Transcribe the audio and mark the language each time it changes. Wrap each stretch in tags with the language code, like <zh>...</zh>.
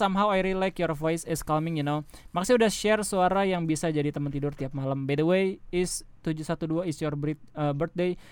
<en>Somehow I really like your voice is calming, you know.</en> <id>Makasih udah share suara yang bisa jadi teman tidur tiap malam.</id> <en>By the way, is 712 is your birthday.</en>